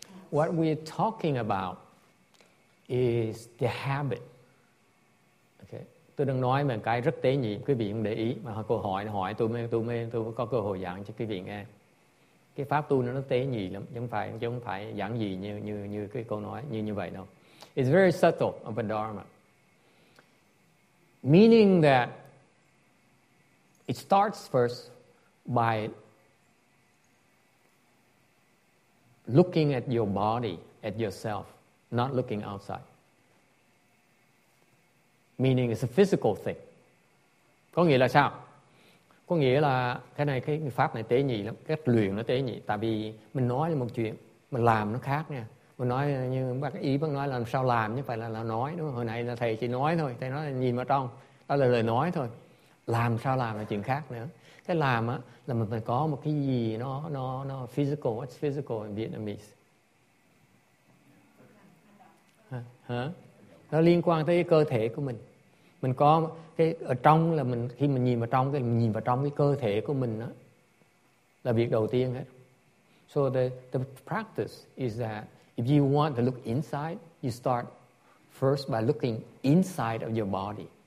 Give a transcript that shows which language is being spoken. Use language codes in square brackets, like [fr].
[en] What we're talking about is the habit. Okay. [vi] Tôi đang nói về cái rất tế nhị, quý vị không để ý mà cô hỏi tôi mới có cơ hội giảng cho quý vị nghe. Cái pháp tu nó tế nhị lắm, chứ không phải giảng gì như cái câu nói như vậy đâu. [en] It's very subtle of a dharma. Meaning that it starts first by looking at your body, at yourself, not looking outside. Meaning it's a physical thing. [vi] Có nghĩa là sao? Có nghĩa là cái pháp này tế nhị lắm, cách luyện nó tế nhị. Tại vì mình nói là một chuyện, mình làm nó khác nha. Mình nói như bác nói là sao làm chứ phải là nói đúng không? Hồi nãy là thầy chỉ nói thôi, thầy nói là nhìn vào trong, đó là lời nói thôi. Làm sao làm là chuyện khác nữa. Cái làm á là mình phải có một cái gì nó physical. [en] What's physical in Vietnamese? [vi] Nó liên quan tới cơ thể của mình. Mình có cái ở trong là mình khi mình nhìn vào trong cái mình nhìn vào trong cái cơ thể của mình đó là việc đầu tiên hết. [en] So the practice is that if you want to look inside, you start first by looking inside of your body.